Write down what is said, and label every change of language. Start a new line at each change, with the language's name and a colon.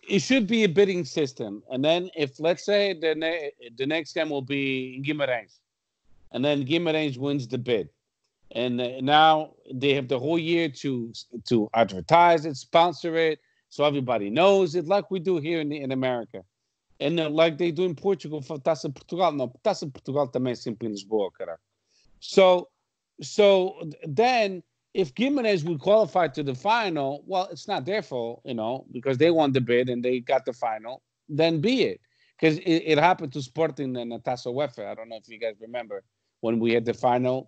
English: It should be a bidding system. And then if, let's say, the next game will be Guimarães. And then Guimarães wins the bid. And now they have the whole year to advertise it, sponsor it, so everybody knows it, like we do here in America. And like they do in Portugal for Taça Portugal.
Portuguese: No, Taça Portugal também sempre em Lisboa, cara.
English: So then, if Guimarães would qualify to the final, well, it's not their fault, you know, because they won the bid and they got the final, then be it. Because it happened to Sporting and Taça UEFA. I don't know if you guys remember when we had the final.